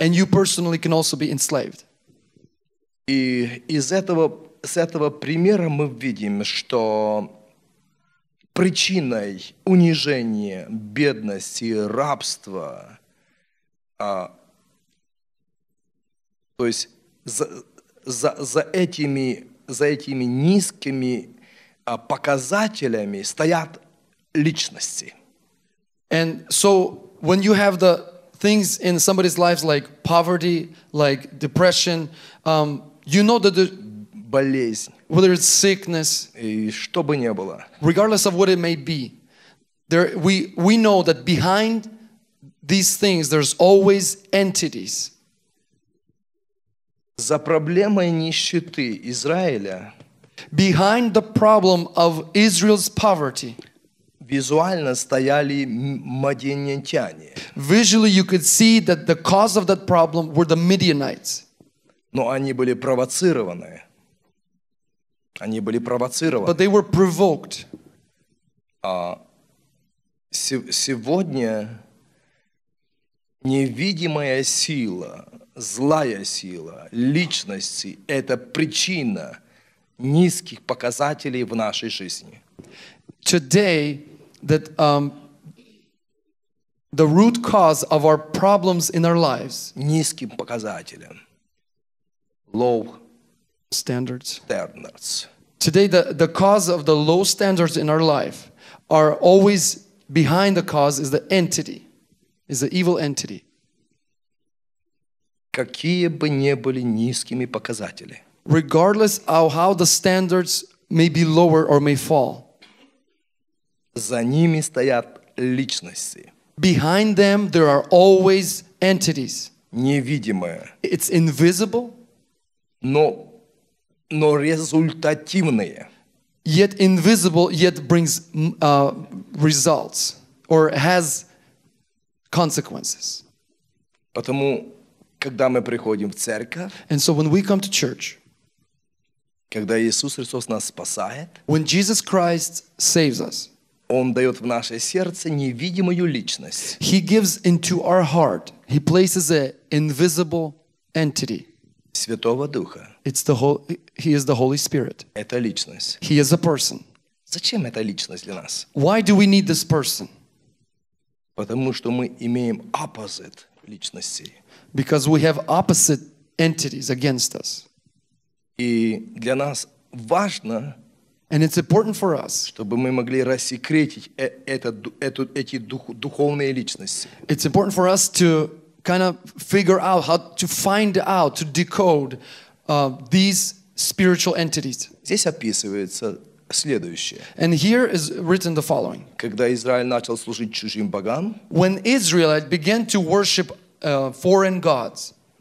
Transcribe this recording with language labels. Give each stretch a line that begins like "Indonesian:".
English: And you personally can also be enslaved.
Russian: И из этого примера мы видим, что причиной унижения, бедности, рабства, то есть за этими низкими показателями стоят личности.
English: And so when you have the things in somebody's lives like poverty, like depression, you know that the
Russian: болезнь,
English: whether it's sickness,
Russian: и что бы ни было,
English: regardless of what it may be, there we know that behind these things there's always entities.
Russian: За проблемой нищеты Израиля,
English: behind the problem of Israel's poverty,
Russian: визуально стояли мадианитяне.
English: Visually you could see that the cause of that problem were the Midianites.
Russian: Но они были провоцированы. Они были провоцированы.
English: But they were provoked.
Russian: Сегодня невидимая сила, злая сила личности — это причина низких показателей в нашей жизни.
English: Today, that the root cause of our problems in our lives,
Russian: низким показателям,
English: low standards. Today, the cause of the low standards in our life are always behind the cause is the entity, is the evil entity.
Russian: Какие бы ни были низкими показатели,
English: regardless of how the standards may be lower or may fall,
Russian: за ними стоят личности.
English: Behind them there are always entities.
Russian: Невидимые.
English: It's invisible,
Russian: но результативные.
English: Yet invisible, yet brings results or has consequences.
Russian: Потому когда мы приходим в церковь,
English: and so when we come to church,
Russian: когда Иисус Христос нас спасает,
English: when Jesus Christ saves us,
Russian: Он дает в наше сердце невидимую личность.
English: He gives into our heart, He places an invisible entity.
Russian: Святого Духа.
English: It's the He is the Holy Spirit.
Russian: Это личность.
English: He is a person.
Russian: Зачем эта личность для нас?
English: Why do we need this person?
Russian: Потому что мы имеем opposite личности.
English: Because we have opposite entities against us.
Russian: И для нас важно,
English: and it's important for us,
Russian: чтобы мы могли рассекретить эти духовные личности.
English: It's important for us to kind of figure out how to find out, to decode these spiritual entities.
Russian: Здесь описывается следующее.
English: And here is written the following.
Russian: Когда Израиль начал служить чужим богам,
English: when Israel began to worship foreign gods,